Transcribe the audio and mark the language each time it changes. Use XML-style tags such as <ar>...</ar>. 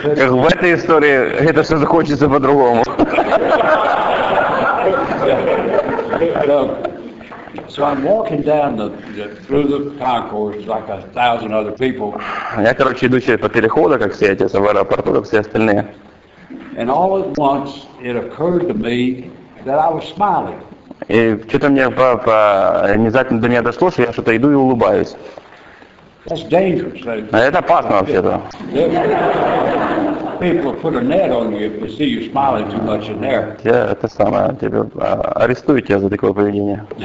<ru>В этой истории это все закончится по-другому.</ru> <en>So I'm walking down the through the concourse like 1,000 other people.</en> <ru>Я, короче, иду по переходу, как все эти, в аэропорту, как все остальные.</ru> <en>And all at once it occurred to me that I was smiling.</en> <ru>И что-то мне внезапно до меня дошло, что я что-то иду и улыбаюсь.</ru> <en>That's dangerous.</en> <ru>Это опасно вообще-то.</ru> <en>People put a net on you if they see you smiling too much in there.</en> <ru>Yeah, это самое. Тебе арестуют тебя за такое поведение.</ru>